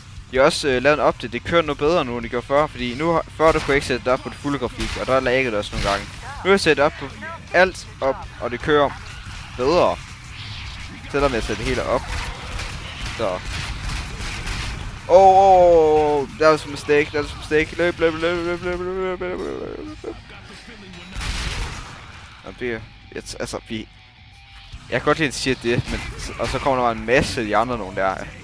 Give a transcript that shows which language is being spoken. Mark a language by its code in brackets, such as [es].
[da] De har også lavet en update, det kører noget bedre nu end de gjorde før, fordi nu har, før du kunne ikke sætte det op på det fulde grafik, og der er lagget også nogle gange. Nu har jeg sættet op på alt op, og det kører bedre. Selvom jeg sætter det hele op. Så. [en] Oh, that was a mistake, that was a mistake. [da] Løb, løb, løb, løb, løb, løb, løb, løb, løb, løb, løb, løb. Nå, det er, altså, vi... Jeg kan godt lide at sige det, men... Og så kommer der bare en masse af de andre nogen der.